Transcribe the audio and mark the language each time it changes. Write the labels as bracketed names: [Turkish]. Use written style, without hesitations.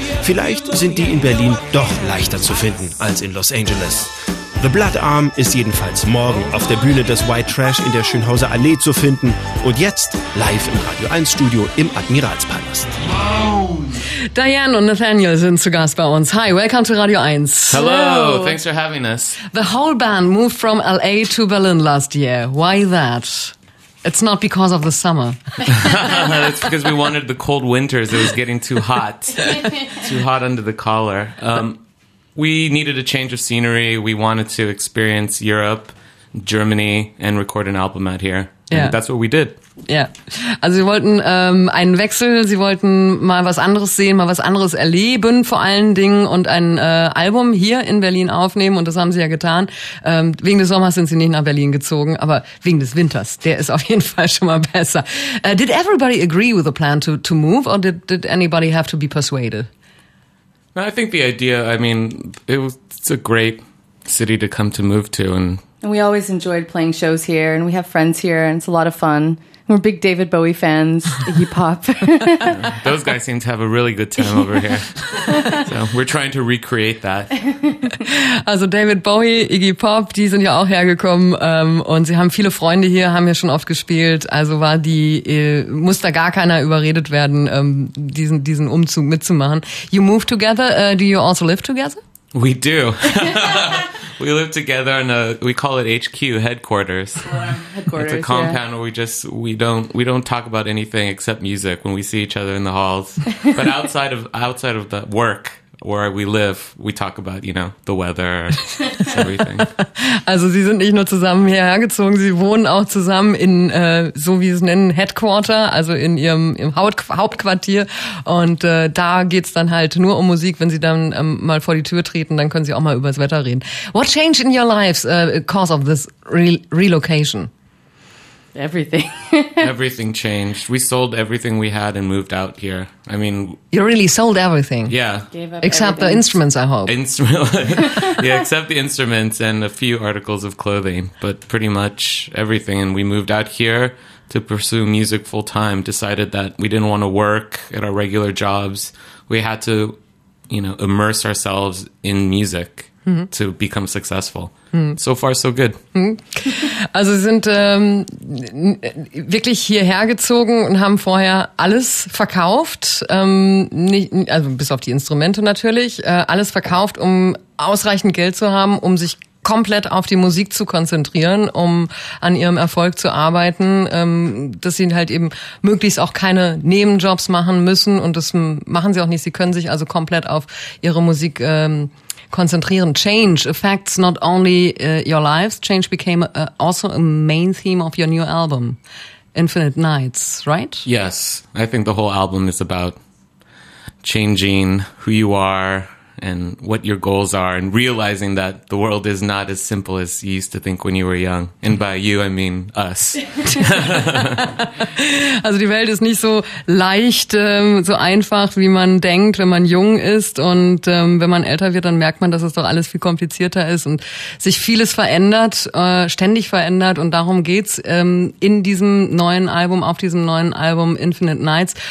[German] Vielleicht sind die in Berlin doch leichter zu finden als in Los Angeles. The Blood Arm ist jedenfalls morgen auf der Bühne des White Trash in der Schönhauser Allee zu finden. Und jetzt live im Radio 1 Studio im Admiralspalast. Diane und Nathaniel sind zu Gast bei uns. [English] Hi, welcome to Radio 1. Hello, thanks for having us. The whole band moved from LA to Berlin last year. Why that? It's not because of the summer. It's because we wanted the cold winters. It was getting too hot. Too hot under the collar. We needed a change of scenery. We wanted to experience Europe, Germany and record an album out here. Yeah. And that's what we did. Yeah. [German] Also sie wollten einen Wechsel, sie wollten mal was anderes sehen, mal was anderes erleben vor allen Dingen und ein Album hier in Berlin aufnehmen und das haben sie ja getan. Wegen des Sommers sind sie nicht nach Berlin gezogen, aber wegen des Winters, der ist auf jeden Fall schon mal besser. [English] Did everybody agree with the plan to move or did anybody have to be persuaded? I think the idea, I mean, it's a great city to come to move to. And we always enjoyed playing shows here, and we have friends here, and it's a lot of fun. We're big David Bowie fans, hip-hop. Those guys seem to have a really good time over here. So we're trying to recreate that. [German] Also David Bowie, Iggy Pop, die sind ja auch hergekommen und sie haben viele Freunde hier, haben ja schon oft gespielt. Also war die muss da gar keiner überredet werden, diesen Umzug mitzumachen. [English] You move together. Do you also live together? We do. We live together in we call it HQ, headquarters. Headquarters. It's a compound yeah. where we don't talk about anything except music when we see each other in the halls. But outside of the work where we live, we talk about, you know, the weather, everything. [German] Also sie sind nicht nur zusammen hierher gezogen, sie wohnen auch zusammen in, so wie sie es nennen, Headquarter, also in ihrem Hauptquartier. Und da geht's dann halt nur um Musik. Wenn sie dann mal vor die Tür treten, dann können sie auch mal über das Wetter reden. [English] What changed in your lives because of this relocation? Everything. Everything changed. We sold everything we had and moved out here. I mean... You really sold everything? Yeah. Except the instruments, I hope. Yeah, except the instruments and a few articles of clothing, but pretty much everything. And we moved out here to pursue music full time, decided that we didn't want to work at our regular jobs. We had to, you know, immerse ourselves in music. Mm-hmm. To become successful. Mm-hmm. So far, so good. Mm-hmm. [German] Also, sie sind wirklich hierher gezogen und haben vorher alles verkauft, bis auf die Instrumente natürlich, alles verkauft, um ausreichend Geld zu haben, um sich komplett auf die Musik zu konzentrieren, um an ihrem Erfolg zu arbeiten, dass sie halt eben möglichst auch keine Nebenjobs machen müssen und das machen sie auch nicht. Sie können sich also komplett auf ihre Musik konzentrieren. [English] Change affects not only your lives. Change became also a main theme of your new album, Infinite Nights, right? Yes. I think the whole album is about changing who you are and what your goals are and realizing that the world is not as simple as you used to think when you were young. And by you, I mean us. [German] Also die Welt ist nicht so leicht, so einfach, wie man denkt, wenn man jung ist. Und wenn man älter wird, dann merkt man, dass es doch alles viel komplizierter ist und sich vieles verändert, ständig verändert. Und darum geht's in diesem neuen Album, auf diesem neuen Album Infinite Nights.